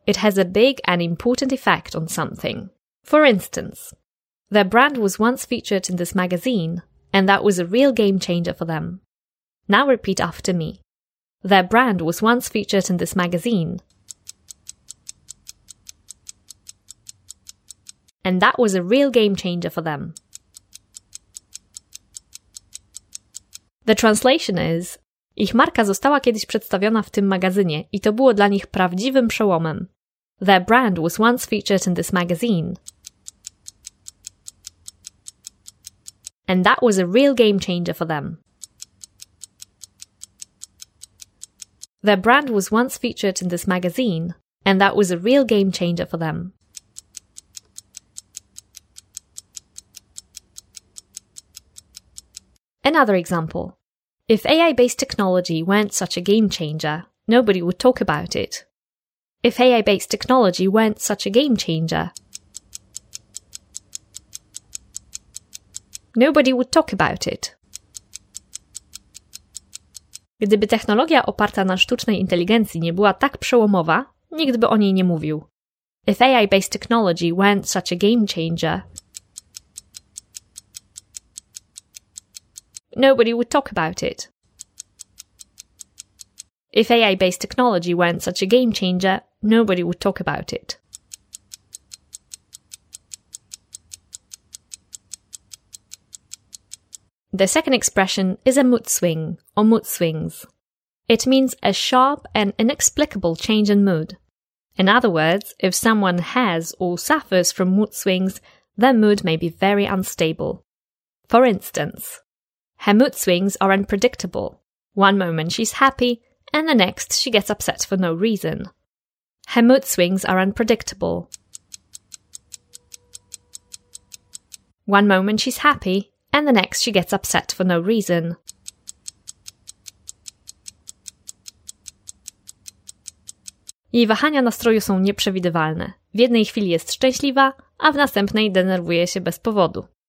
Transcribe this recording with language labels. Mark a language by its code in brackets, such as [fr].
[en] It has a big and important effect on something. For instance, their brand was once featured in this magazine, and that was a real game changer for them. Now repeat after me. Their brand was once featured in this magazine. And that was a real game changer for them. The translation is: [pl] ich marka została kiedyś przedstawiona w tym magazynie i to było dla nich prawdziwym przełomem. [en] Their brand was once featured in this magazine. And that was a real game changer for them. Their brand was once featured in this magazine, and that was a real game changer for them. Another example. If AI-based technology weren't such a game changer, nobody would talk about it. If AI-based technology weren't such a game changer, nobody would talk about it. [pl] Gdyby technologia oparta na sztucznej inteligencji nie była tak przełomowa, nikt by o niej nie mówił. [en] If AI-based technology weren't such a game changer, nobody would talk about it. If AI-based technology weren't such a game changer, nobody would talk about it. The second expression is a mood swing, or mood swings. It means a sharp and inexplicable change in mood. In other words, if someone has or suffers from mood swings, their mood may be very unstable. For instance, her mood swings are unpredictable. One moment she's happy, and the next she gets upset for no reason. Her mood swings are unpredictable. One moment she's happy, and the next she gets upset for no reason. [pl] Jej wahania nastroju są nieprzewidywalne. W jednej chwili jest szczęśliwa, a w następnej denerwuje się bez powodu.